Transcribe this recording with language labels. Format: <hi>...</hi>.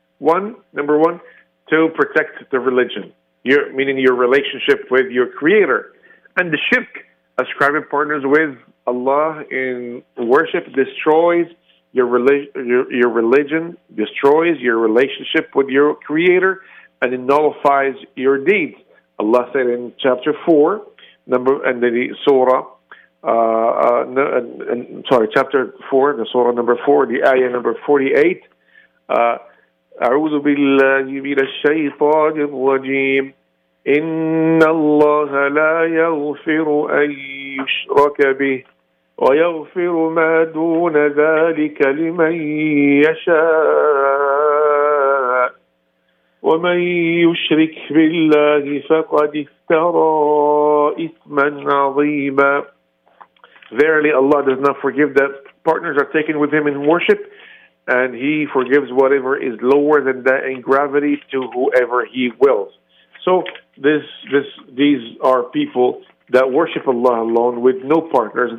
<en>Number one, to protect the religion, meaning your relationship with your Creator. And the shirk, ascribing partners with Allah in worship, destroys your religion, destroys your relationship with your Creator, and it nullifies your deeds. Allah said in chapter 4, the surah, chapter 4, the surah number 4, the ayah number 48,</en> <ar>أعوذ بالله من الشيطان الرجيم إن الله لا يغفر أن يشرك به ويغفر ما دون ذلك لمن يشاء ومن يشرك بالله فقد افترى إثما عظيما.</ar> <en>Verily, Allah does not forgive that partners are taken with him in worship, and he forgives whatever is lower than that in gravity to whoever he wills. So these are people that worship Allah alone with no partners.</en>